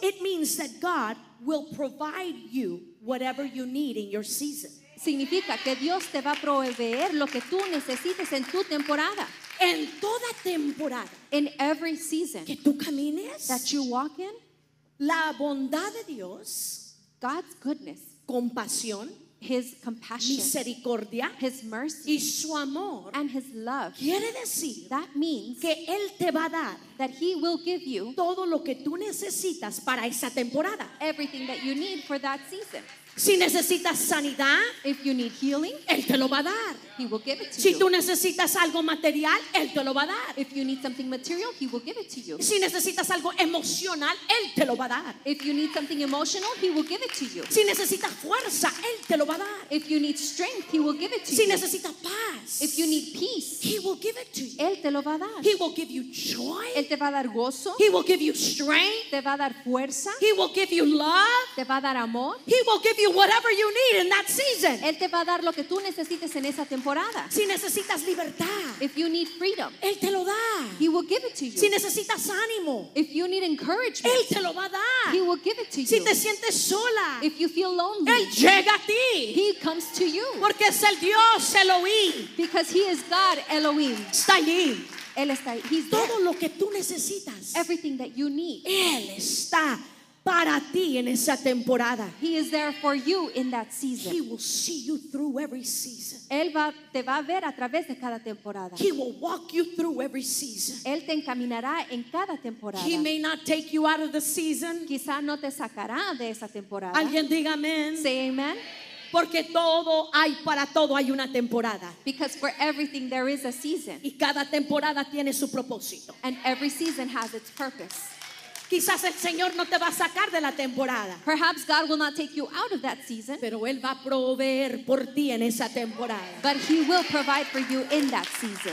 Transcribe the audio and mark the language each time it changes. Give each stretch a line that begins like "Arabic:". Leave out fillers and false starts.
English: It means that God will provide you whatever you need in your season.
Spanish: Significa que Dios te va a proveer lo que tú necesites en tu temporada. En toda temporada.
English: In every season.
Spanish: Que tú camines.
English: That you walk in.
Spanish: La bondad de Dios,
English: God's goodness,
Spanish: compasión,
English: his compassion,
Spanish: misericordia,
English: his mercy,
Spanish: y su amor,
English: and his love,
Spanish: quiere decir,
English: that means,
Spanish: que él te va a dar,
English: that he will give you,
Spanish: todo lo que tú necesitas para esa temporada,
English: everything that you need for that season.
Spanish: Si necesitas sanidad,
English: if you need healing,
Spanish: él te lo va a dar.
English: He will give it to
Spanish: si
English: you.
Spanish: Si tú necesitas algo material, él te lo va a dar.
English: If you need something material, he will give it to you.
Spanish: Si necesitas algo emocional, él te lo va a dar.
English: If you need something emotional, he will give it to you.
Spanish: Si necesitas fuerza, él te lo va a dar.
English: If you need strength, he will give it to
Spanish: si Si necesitas paz,
English: if you need peace, he will give it to you.
Spanish: Él te lo va a dar.
English: He will give you joy.
Spanish: Él te va a dar gozo.
English: He will give you strength.
Spanish: Te va a dar fuerza.
English: He will give you love.
Spanish: Te va a dar amor.
English: He will give you whatever you need in that season.
Spanish: Él te va a dar lo que tú necesites en esa temporada. Si necesitas libertad,
English: if you need freedom,
Spanish: él te lo da.
English: He will give it to you.
Spanish: Si necesitas ánimo,
English: if you need encouragement,
Spanish: él te lo va a dar.
English: He will give it to you.
Spanish: Si te sientes sola,
English: if you feel lonely,
Spanish: él llega a ti.
English: He comes to you.
Spanish: Porque es el Dios Elohim.
English: Because he is God Elohim.
Spanish: Está allí. Él está ahí.
English: He's
Spanish: todo
English: there.
Spanish: Lo que tú necesitas.
English: Everything that you need.
Spanish: Él está para ti en esa temporada.
English: He is there for you in that season. He will see you through every season.
Spanish: Él va, te va a ver a través de cada temporada.
English: He will walk you through every season.
Spanish: Él te encaminará en cada temporada.
English: He may not take you out of the season.
Spanish: Quizá no te sacará de esa temporada. Alguien diga amén.
English: Say amen.
Spanish: Porque todo hay para todo hay una temporada.
English: Because for everything there is a season.
Spanish: Y cada temporada tiene su propósito.
English: And every season has its purpose.
Spanish: Quizás el Señor no te va a sacar de la temporada.
English: Perhaps God will not take you out of that season.
Spanish: Pero Él va a proveer por ti en esa temporada.
English: But He will provide for you in that season.